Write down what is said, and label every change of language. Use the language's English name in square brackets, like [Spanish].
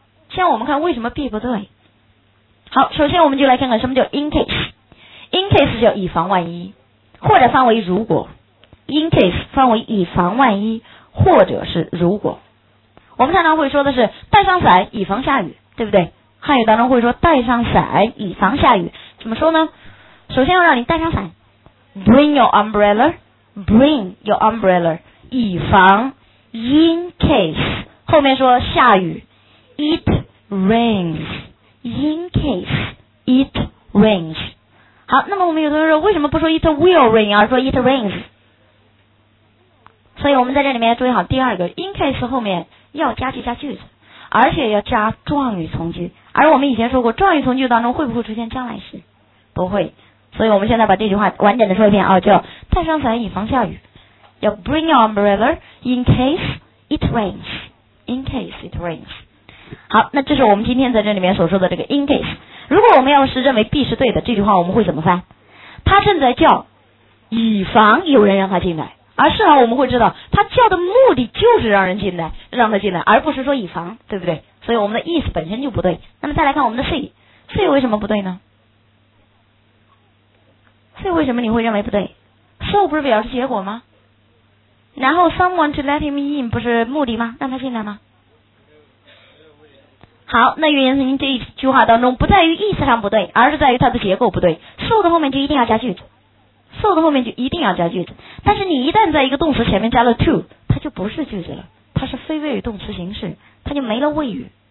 [Chinese] 现在我们看为什么 B 不对。好，首先我们就来看看什么叫 in case。 in case 叫以防万一，或者范围如果， in case 范围以防万一或者是如果。我们常常会说的是带上伞以防下雨，对不对？汉语当中会说带上伞以防下雨，怎么说呢？首先要让你带上伞， [English] bring your umbrella， bring your umbrella， [Chinese] 以防 in case， 后面说下雨， [English] it rains， in case it rains。 [Chinese] 好，那么我们有同学说为什么不说 [English] it will rain [Chinese] 而说 [English] it rains？ [Chinese] 所以我们在这里面注意好第二个 in case 后面要加句加句子，而且要加状语从句。而我们以前说过状语从句当中会不会出现将来时？不会。所以我们现在把这句话完整的说一遍啊，叫带上伞以防下雨，要 [English] bring your umbrella in case it rains， [Chinese] in case it rains。好，那这是我们今天在这里面所说的这个 in case。如果我们要是认为 B 是对的，这句话我们会怎么翻？他正在叫以防有人让他进来，而事后我们会知道他叫的目的就是让人进来，让他进来，而不是说以防，对不对？所以我们的意思本身就不对。那么再来看我们的 C， C 为什么不对呢？ C 为什么你会认为不对？ So 不是表示结果吗？然后 [English] someone to let him in [Chinese] 不是目的吗？让他进来吗？好，那原因是您这一句话当中不在于意思上不对，而是在于它的结构不对。 So 的后面就一定要加句子，so 的后面就一定要加句子，但是你一旦在一个动词前面加了 to， 它就不是句子了，它是非谓语动词形式，它就没了谓语。